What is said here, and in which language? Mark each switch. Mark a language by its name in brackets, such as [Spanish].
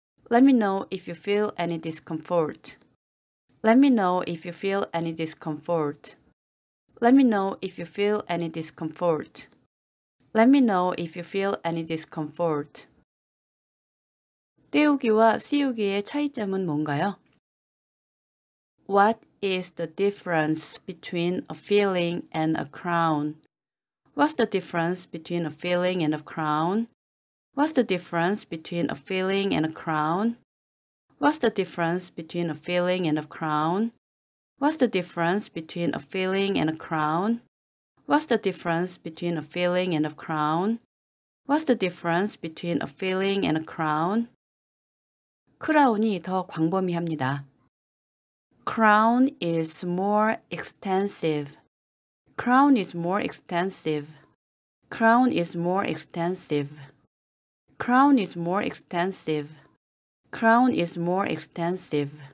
[English] Let me know if you feel any discomfort. Let me know if you feel any discomfort. Let me know if you feel any discomfort. Let me know if you feel any discomfort. [Korean] 떼우기와 씌우기의 차이점은 뭔가요? [English] What is the difference between a filling and a crown? What's the difference between a filling and a crown? What's the difference between a filling and a crown? What's the difference between a filling and a crown? What's the difference between a filling and a crown? What's the difference between a filling and a crown? What's the difference between a filling and a crown? [Korean] 크라운이 더 광범위합니다. [English] Crown is more extensive. Crown is more extensive. Crown is more extensive. Crown is more expensive. Crown is more expensive.